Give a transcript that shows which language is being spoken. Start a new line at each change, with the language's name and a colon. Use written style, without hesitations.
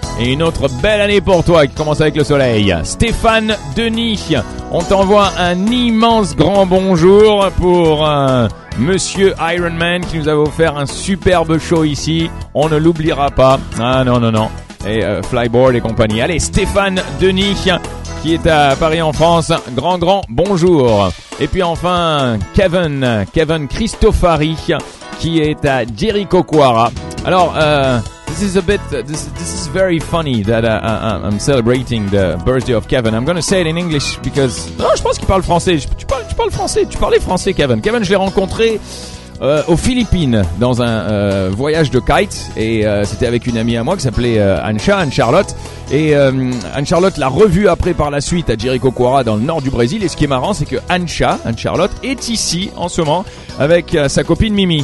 French: Et une autre belle année pour toi qui commence avec le soleil. Stéphane Denis, on t'envoie un immense grand bonjour pour Monsieur Iron Man qui nous avait offert un superbe show ici. On ne l'oubliera pas. Ah non, non, non. Et Flyboard et compagnie. Allez, Stéphane Denis qui est à Paris en France. Grand, grand bonjour. Et puis enfin, Kevin Christofari qui est à Jericho Quara.
English: Alors, This is very funny that I'm celebrating the birthday of Kevin. I'm going to say it in English because...
French: Non, je pense qu'il parle français. Tu parles français. Tu parlais français, Kevin. Kevin, je l'ai rencontré aux Philippines dans un voyage de kite. Et c'était avec une amie à moi qui s'appelait Anne-Charlotte. Et Anne-Charlotte l'a revue après par la suite à Jericho Cuara dans le nord du Brésil. Et ce qui est marrant, c'est que Anne-Charlotte est ici en ce moment avec sa copine Mimi.